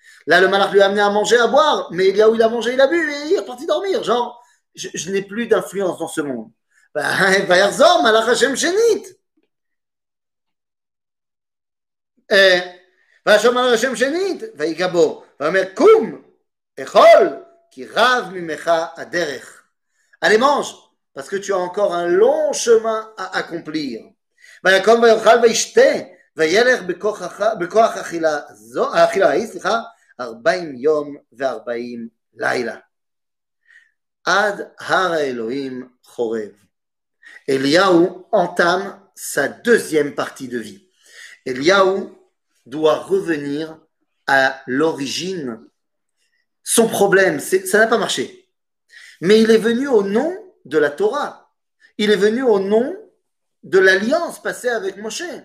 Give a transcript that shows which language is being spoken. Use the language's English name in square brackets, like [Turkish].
[French] là le malach lui a amené à manger à boire mais il y a où il a mangé il a bu et il est parti dormir genre je n'ai plus d'influence dans ce monde [Hebrew] ויחזור מלאך השם שנית ויחזור מלאך השם שנית ויגבו ואומר, קום, אכול, כי רב ממך הדרך. [French] Allez, mange, parce que tu as encore un long chemin à accomplir. [Hebrew] ויקום ויאכל וישתה, וילך בכוח האכילה ההיא, סליחה, 40 יום ו-40 לילה. עד הר האלוהים חורב. [French] אליהו entame sa deuxième partie de vie. אליהו doit revenir à l'origine, son problème, c'est, ça n'a pas marché. Mais il est venu au nom de la Torah. Il est venu au nom de l'alliance passée avec Moshe.